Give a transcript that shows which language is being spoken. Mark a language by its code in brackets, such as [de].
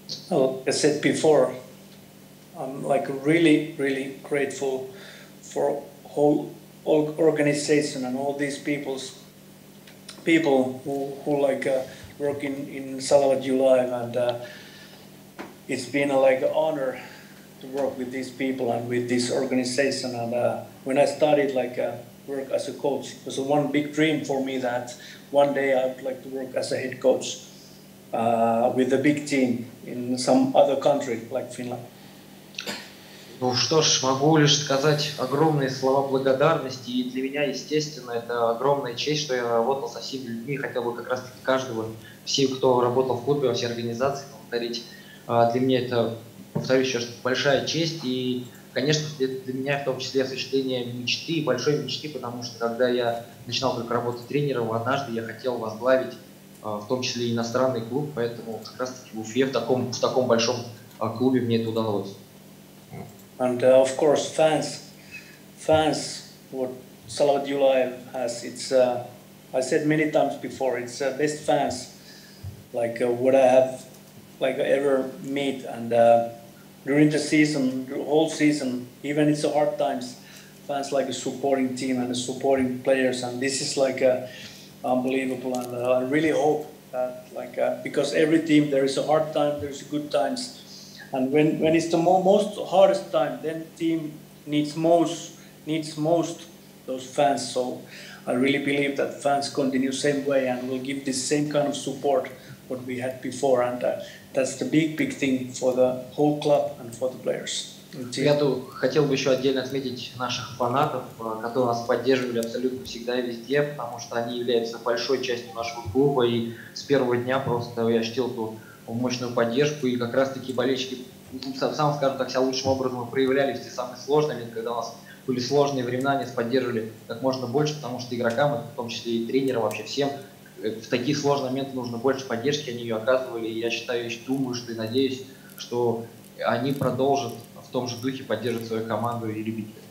[en] Well, as I said before, I'm like really, really grateful for whole organization and all these people who like work in Salavat Yulaev, and it's been like an honor to work with these people and with this organization. And when I started like work as a coach, it was one big dream for me that one day I would like to work as a head coach. with a big team in some other country like Finland? [ru] Ну что ж, могу лишь сказать огромные слова благодарности, и для меня, естественно, это огромная честь, что я работал со всеми людьми, хотел бы как раз-таки каждого, всем, кто работал в клубе, во всей организации, повторить. Для меня это, повторюсь еще раз, большая честь, и, конечно, для меня в том числе осуществление мечты, большой мечты, потому что когда я начинал только работать тренером, однажды я хотел возглавить в том числе иностранный клуб, поэтому как раз-таки в Уфе, в таком большом клубе мне это удалось. [en] And of course, fans, what Salavat Yulaev has, it's, I said many times before, it's the best fans, like what I have, like ever met. And during the season, the whole season, even it's hard times, fans like a supporting team and supporting players. And this is like unbelievable. And I really hope that, like, because every team, there is a hard time, there's good times. And when it's the most hardest time, then team needs most those fans. So I really believe that fans continue same way and will give the same kind of support what we had before. And that's the big thing for the whole club and for the players. [ru] Я хотел бы еще отдельно отметить наших фанатов, которые нас поддерживали абсолютно всегда и везде, потому что они являются большой частью нашего клуба, и с первого дня просто я ощутил ту мощную поддержку, и как раз-таки болельщики, сам скажем так, себя лучшим образом проявляли в те самые сложные моменты, когда у нас были сложные времена, они нас поддерживали как можно больше, потому что игрокам, в том числе и тренерам, вообще всем, в такие сложные моменты нужно больше поддержки, они ее оказывали, и я считаю, и думаю, что и надеюсь, что они продолжат в том же духе поддерживать свою команду и любить.